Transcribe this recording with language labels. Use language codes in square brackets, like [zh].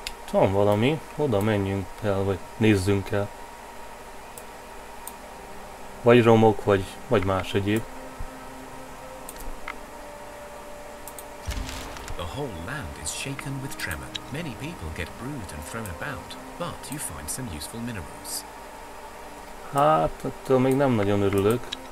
[hu] Van valami, oda menjünk el, vagy nézzünk el. Vagy romok, vagy más egyéb. [en] The whole land is shaken with tremor. Many people get bruised and thrown about, but you find some useful minerals. [hu] Hát, attól még nem nagyon örülök.